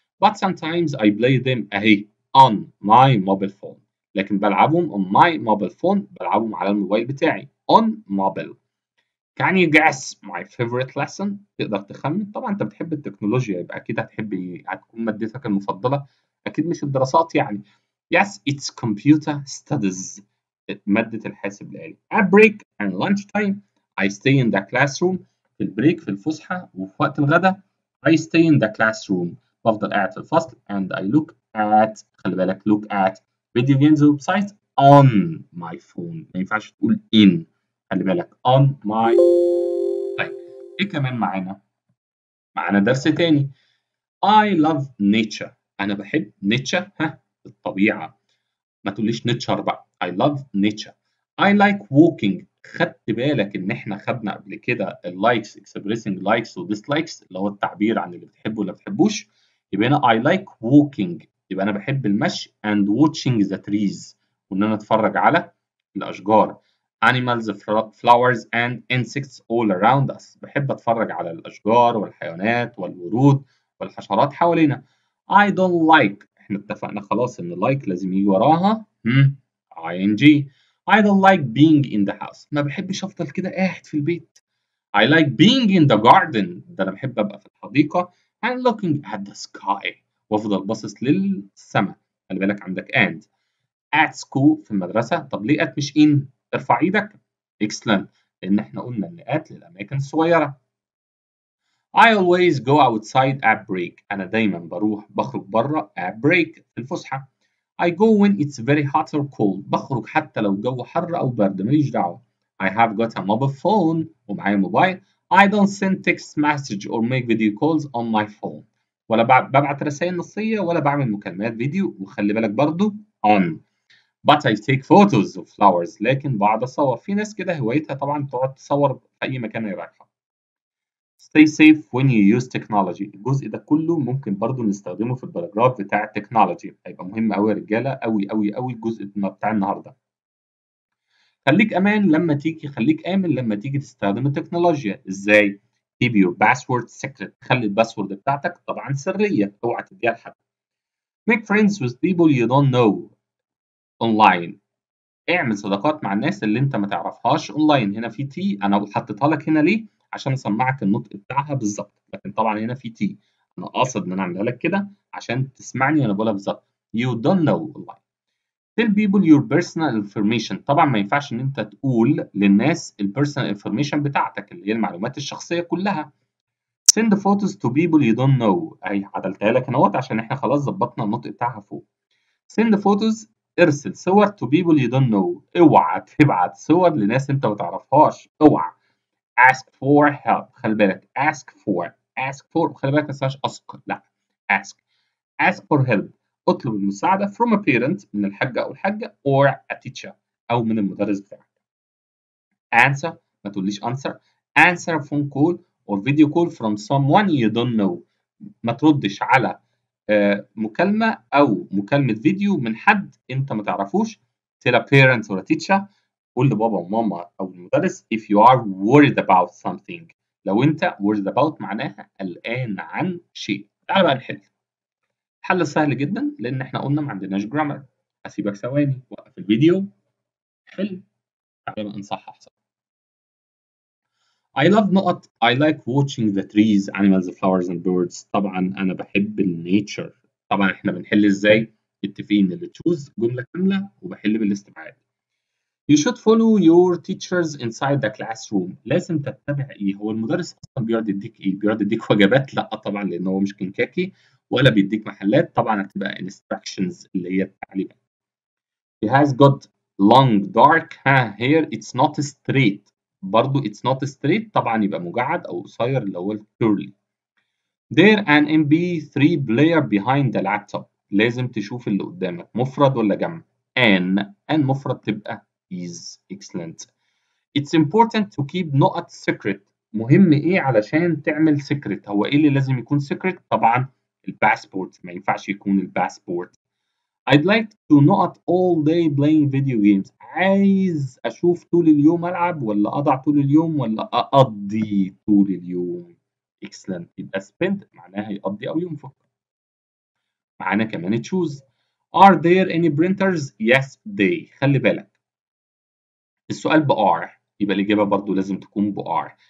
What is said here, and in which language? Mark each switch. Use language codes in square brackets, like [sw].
[en] But sometimes I play them [ar] أهي. [en] On my mobile phone. [ar] لكن بلعبهم [en] on my mobile phone. [ar] بلعبهم على الموبايل بتاعي. [en] On mobile. Can you guess my favorite lesson? [ar] تقدر تخمن؟ طبعا أنت بتحب التكنولوجيا. يبقى أكيد هتحب هتكون مادتك المفضلة. أكيد مش الدراسات يعني. [en] Yes, it's computer studies. [ar] مادة الحاسب الآلي. [en] At break and lunch time, I stay in the classroom. [ar] في البريك في الفسحة وفي وقت الغداء. [en] I stay in the classroom. [ar] بفضل قاعد في الفصل. [en] And I look at, [ar] خلي بالك [en] look at video games website on my phone. [ar] ما ينفعش تقول in. خلي بالك [en] on my. [ar] طيب. ايه كمان معنا؟ معنا درس تاني. [en] I love nature. [ar] انا بحب nature. ها؟ الطبيعة. ما تقوليش nature بقى. [en] I love nature. I like walking. [ar] خدت بالك ان احنا خدنا قبل كده [en] likes expressing likes [ar] و dislikes اللي هو التعبير عن اللي بتحبه ولا بتحبوش. يبقى انا [en] I like walking. [ar] يبقى انا بحب المشي [en] and watching the trees. [ar] وان انا اتفرج على الاشجار. [en] Animals, flowers and insects all around us. [ar] بحب اتفرج على الاشجار والحيوانات والورود والحشرات حوالينا. [en] I don't like. [ar] احنا اتفقنا خلاص ان like لازم يجي وراها. ing. [en] I don't like being in the house. [ar] ما بحبش افضل كده قاعد في البيت. [en] I like being in the garden. [ar] ده انا بحب ابقى في الحديقة. [en] And looking at the sky. [ar] وافضل باصص للسماء. خلي بالك عندك and. [en] At school [ar] في المدرسة. طب ليه at مش in؟ ارفع ايدك. [en] Excellent. [ar] لان احنا قلنا ان at للاماكن الصغيرة. [en] I always go outside at break. [ar] انا دايما بروح بخرج برا [en] at break [ar] في الفسحة. [en] I go when it's very hot or cold. [ar] بخرج حتى لو الجو حر أو برد. ماليش دعوة. [en] I have got a mobile phone. [ar] ومعايا موبايل. [en] I don't send text message or make video calls on my phone. [ar] ولا ببعت رسائل نصية ولا بعمل مكالمات فيديو. وخلي بالك برضو on. [en] But I take photos of flowers. [ar] لكن بعض صور. في ناس كده هوايتها طبعا تقعد تصور في أي مكان يبعتها. [en] Stay safe when you use technology. [ar] الجزء ده كله ممكن برضو نستخدمه في الباراجراف بتاع التكنولوجي. هيبقى مهم قوي يا رجاله قوي قوي قوي الجزء بتاع النهارده. خليك امن لما تيجي تستخدم التكنولوجيا. ازاي؟ [en] keep your password secret. [ar] خلي الباسورد بتاعتك طبعا سريه اوعى تديها لحد. [en] make friends with people you don't know online. [ar] اعمل صداقات مع الناس اللي انت ما تعرفهاش اونلاين. هنا في تي انا حطيتها لك هنا ليه؟ عشان اسمعك النطق بتاعها بالظبط. لكن طبعا هنا في تي انا قاصد ان انا اعملها لك كده عشان تسمعني وانا بقولها بالظبط. [en] you don't know online. tell people your personal information. [ar] طبعا ما ينفعش ان انت تقول للناس البيرسونال انفورميشن بتاعتك اللي هي المعلومات الشخصيه كلها. [en] send photos to people you don't know. [ar] اي عدلتها لك اهوت عشان احنا خلاص ظبطنا النطق بتاعها فوق. [en] send photos. [ar] ارسل صور [en] to people you don't know. [ar] اوعى تبعت صور لناس انت ما تعرفهاش. اوعى. [en] ask for help. [ar] خلي بالك ask for. خلي بالك ما تنساش ask. [en] لا ask for help. [ar] اطلب المساعده [en] from a parent [ar] من الحاجه او الحاجه [en] or a teacher [ar] او من المدرس بتاعك. answer ما تقوليش answer. [en] answer a phone call or video call from someone you don't know. [ar] ما تردش على مكالمه او مكالمه فيديو من حد انت ما تعرفوش. [en] tell a parent or a teacher. [ar] قول لبابا وماما أو المدرس [en] if you are worried about something. [ar] لو أنت [en] worried about [ar] معناها الآن عن شيء. تعال بقى نحل. حل سهل جدا لأن إحنا قلنا ما عندناش grammar. أسيبك ثواني وقف الفيديو حل. تعال بقى نصحح. [en] I love not. I like watching the trees, animals, flowers and birds. [ar] طبعا أنا بحب النيتشر. طبعا إحنا بنحل إزاي؟ اتفقين اللي choose جملة كاملة وبحل بالاستبعاد. [en] You should follow your teachers inside the classroom. [ar] لازم تتبع ايه؟ هو المدرس اصلا بيقعد يديك ايه؟ بيقعد يديك وجبات؟ لا طبعا، لان هو مش كنكاكي، ولا بيديك محلات. طبعا هتبقى instructions اللي هي التعليمات. [en] He has got long dark hair. It's not straight. [ar] برضو [en] it's not straight [ar] طبعا يبقى مجعد او قصير اللي هو curly. [en] There an MP3 player behind the laptop. [ar] لازم تشوف اللي قدامك مفرد ولا جمع. An مفرد تبقى is excellent. [en] It's important to keep not secret. [ar] مهم ايه علشان تعمل secret؟ هو ايه اللي لازم يكون secret؟ طبعا الباسبورت، ما ينفعش يكون الباسبورت. [en] I'd like to not all day playing video games. [ar] عايز اشوف طول اليوم العب ولا اضع طول اليوم ولا اقضي طول اليوم. [en] Excellent. [ar] يبقى spend معناها يقضي او ينفق. معنا كمان choose. [en] Are there any printers? Yes, they. [ar] خلي بالك السؤال ب R يبقى الإجابة برضو لازم تكون ب R.